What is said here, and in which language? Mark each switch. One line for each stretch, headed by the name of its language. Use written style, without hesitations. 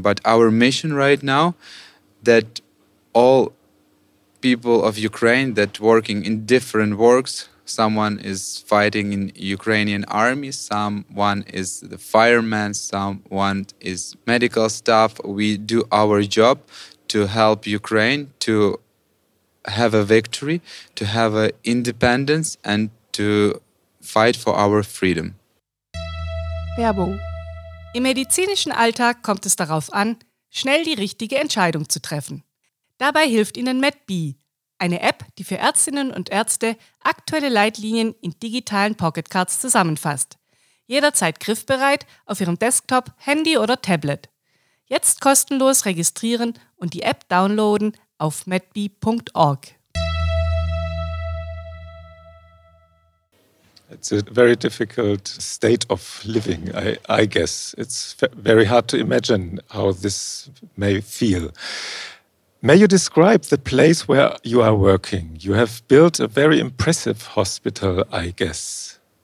English: But our mission right now, that all people of Ukraine that working in different works, someone is fighting in Ukrainian army, someone is the fireman, someone is medical staff, we do our job to help Ukraine to have a victory, to have an independence, and to fight for our freedom.
German: Werbung. Im medizinischen Alltag kommt es darauf an, schnell die richtige Entscheidung zu treffen. Dabei hilft Ihnen MedBe, eine App, die für Ärztinnen und Ärzte aktuelle Leitlinien in digitalen Pocketcards zusammenfasst. Jederzeit griffbereit auf Ihrem Desktop, Handy oder Tablet. Jetzt kostenlos registrieren und die App downloaden auf medbe.org.
English: It's a very difficult state of living, I guess. It's very hard to imagine how this may feel. May you describe the place where you are working? You have built a very impressive hospital, I guess.